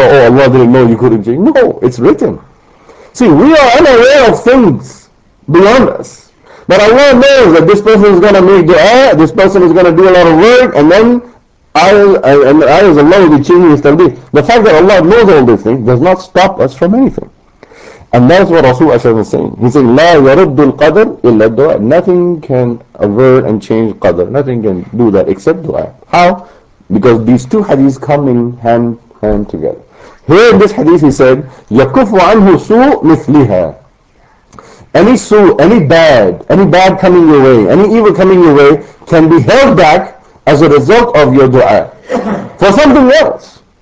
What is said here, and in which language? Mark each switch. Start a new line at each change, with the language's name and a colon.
English: Oh, Allah didn't know you couldn't change. No, it's written. See, we are unaware of things beyond us. But Allah knows that this person is going to make dua, this person is going to do a lot of work, and then I as Allah will be changing his taqdeer. The fact that Allah knows all these things does not stop us from anything. And that's what Rasulullah is saying. He's saying,
Arabic: لا يرد القدر إلا الدعاء.
English: Nothing can avert and change qadr. Nothing can do that except dua. How? Because these two hadiths come in hand together. Here in this hadith he said,
Arabic: يَكُفُ عَنْهُ سُوءٌ مِثْلِهَا.
English: Any su, any bad coming your way, any evil coming your way, can be held back as a result of your dua for something else.